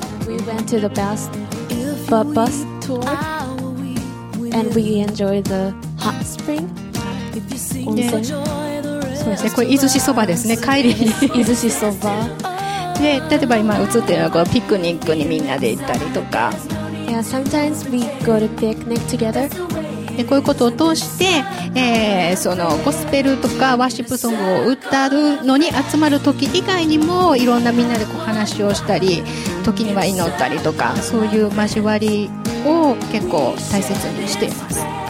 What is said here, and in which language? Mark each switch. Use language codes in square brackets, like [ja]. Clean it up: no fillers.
[en] We went to the bus tour and we enjoyed the hot spring. [ja] そうですね、これ伊豆市そばですね、帰りに伊豆市そば。で、例えば今映ってるのはこのピクニックにみんなで行ったりとか。 [en] Yeah, sometimes we go to picnic together. [ja] で、こういうことを通して、そのゴスペルとかワーシップソングを歌うのに集まる時以外にもいろんなみんなでこう話をしたり、時には祈ったりとか、そういう交わりを結構大切にしています。